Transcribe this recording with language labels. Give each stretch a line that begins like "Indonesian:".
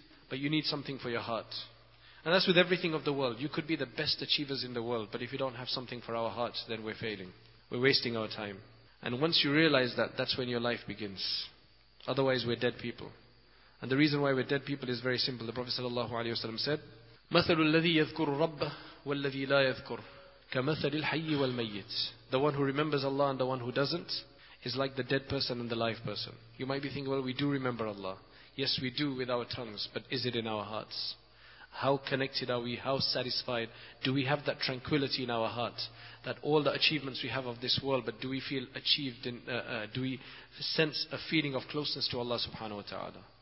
English: But you need something for your heart. And that's with everything of the world. You could be the best achievers in the world, but if you don't have something for our hearts, then we're failing. We're wasting our time. And once you realize that, that's when your life begins. Otherwise, we're dead people. And the reason why we're dead people is very simple. The Prophet sallallahu alaihi wasallam said,
Arabic: مَثَلُ الَّذِي يَذْكُرُ رَبَّهُ وَالَّذِي لَا يَذْكُرُ كَمَثَلِ الْحَيِّ وَالْمَيِّتِ.
English: The one who remembers Allah and the one who doesn't is like the dead person and the live person. You might be thinking, well, we do remember Allah. Yes, we do with our tongues, but is it in our hearts? How connected are we? How satisfied? Do we have that tranquility in our heart? That all the achievements we have of this world, but do we feel achieved in, do we sense a feeling of closeness to Allah subhanahu wa ta'ala?